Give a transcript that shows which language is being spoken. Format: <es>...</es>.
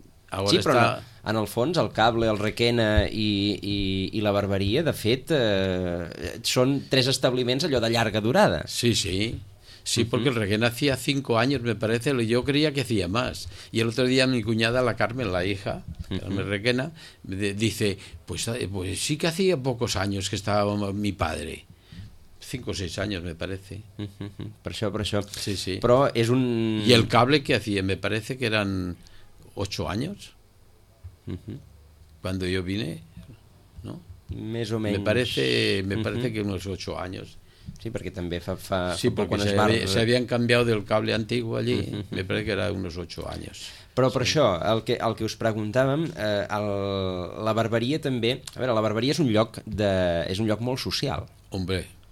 <ca>Ahora sí, però en el fons, el cable, el Requena i la Barberia, de fet, són 3 establiments allò de llarga durada. Sí.</ca> <es>Sí, porque el Requena hacía 5 años, me parece, yo creía que hacía más. Y el otro día mi cuñada, la Carmen, la hija, Carmen Requena, dice, pues sí que hacía pocos años que estaba mi padre. 5 o 6 años, me parece. Por eso. Sí. Pero es un... Y el cable que hacía, me parece que eran 8 años, cuando yo vine, ¿no? Más o menos. Me parece que unos 8 años.</es> <ca>Sí, perquè també fa sí, perquè s'havien canviat del cable antigu allí,</ca> <es>me parece que era unos</es> <ca>8 anys. Però sí. Per això, el que us preguntàvem, la Barberia també, a veure, la Barberia és un lloc molt social.</ca> <es>Hombre.</es>